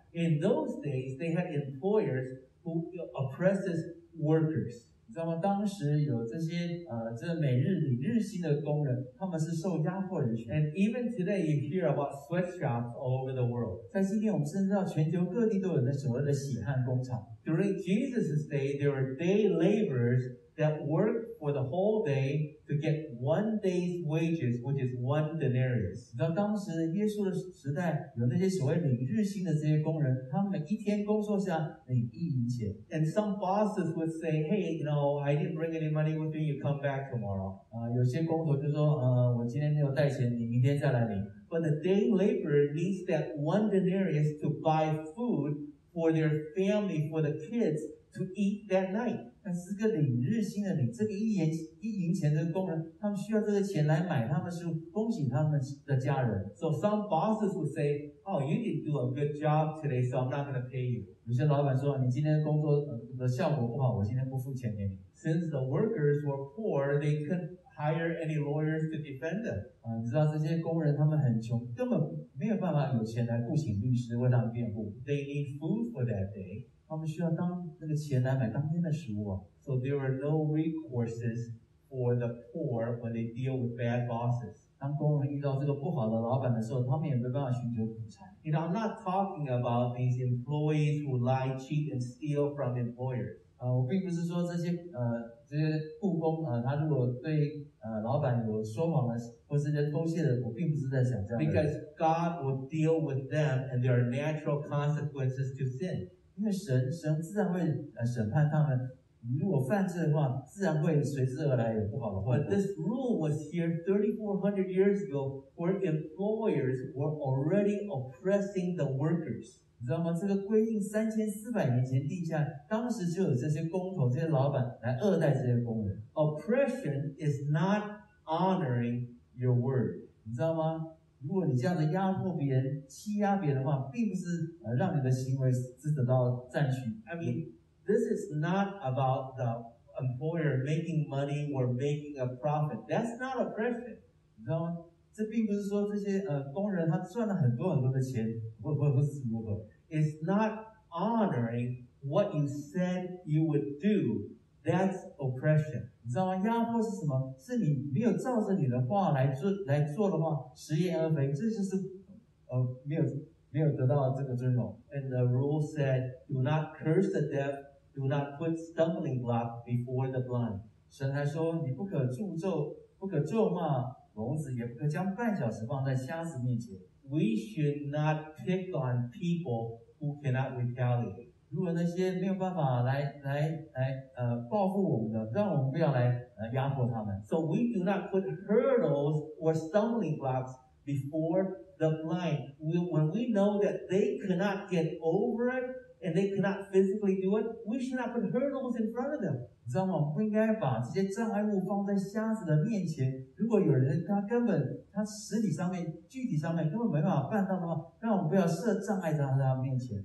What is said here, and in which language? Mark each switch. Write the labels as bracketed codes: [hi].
[en] In those days, they had employers who oppressed workers. [zh] 你知道吗？当时有这些这每日领日薪的工人，他们是受压迫人群。 [en] And even today, you hear about sweatshops all over the world. [zh] 在今天，我们甚至到全球各地都有那所谓的血汗工厂。 [en] During Jesus' day, there were day laborers. That work for the whole day to get one day's wages, which is one denarius. [zh] 你知道当时耶稣的时代有那些所谓领日薪的这些工人，他们一天工作下领一银钱。 [en] And some bosses would say, "Hey, you know, I didn't bring any money with me. You come back tomorrow." [zh] 有些工头就说，我今天没有带钱，你明天再来领。 [en] But the day laborer needs that one denarius to buy food for their family, for the kids to eat that night. [zh] 但是个领日薪的领这个一银钱的工人，他们需要这个钱来买他们食物，恭喜他们的家人。 [en] So some bosses would say, "Oh, you didn't do a good job today, so I'm not going to pay you." [zh] 有些老板说，你今天工作的效果不好，我今天不付钱给你。 [en] Since the workers were poor, they couldn't hire any lawyers to defend them. [zh] 你知道这些工人他们很穷，根本没有办法有钱来雇请律师为他们辩护。 [en] They need food for that day. [zh] 他们需要当那个钱来买当天的食物啊。 [en] So there were no recourses for the poor when they deal with bad bosses. [zh] 当工人遇到这个不好的老板的时候，他们也没办法寻求补偿。 [en] You know, I'm not talking about these employees who lie, cheat, and steal from employers. [zh] 我并不是说这些这些雇工他如果对老板有说谎的或是在偷窃的，我并不是在想这样。 [en] Because God will deal with them, and there are natural consequences to sin. [zh] 因为神自然会审判他们。如果犯罪的话，自然会随之而来有不好的后果。 [en] But this rule was here 3,400 years ago, where employers were already oppressing the workers. [zh] 你知道吗？这个规定3,400年前定下，当时就有这些工头、这些老板来恶待这些工人。 [en] Oppression is not honoring your word. [zh] 你知道吗？如果你这样的压迫别人、欺压别人的话，并不是让你的行为是得到赞许。 [en] This is not about the employer making money or making a profit. That's not oppression. [zh] 你知道吗？这并不是说这些工人他赚了很多很多的钱，不是如何。 [en] It's not honoring what you said you would do. That's oppression. [zh] 你知道吗？压迫是什么？是你没有照着你的话来做的话，食言而肥，这就是没有得到这个尊荣。 [en] And the rule said, do not curse the deaf. Do not put stumbling block before the blind. [zh] 神还说你不可诅咒，不可咒骂聋子，也不可将绊脚石放在瞎子面前。 [en] We should not pick on people who cannot retaliate. [zh] 如果那些没有办法来报复我们的，让我们不要来压迫他们。 [en] So we do not put hurdles or stumbling blocks before the blind. When we know that they cannot get over it. And they cannot physically do it, we should not put hurdles in front of them. [zh] 你知道吗？不应该把这些障碍物放在瞎子的面前。如果有人他实体上面、具体上面根本没办法办到的话，那我们不要设障碍在他面前。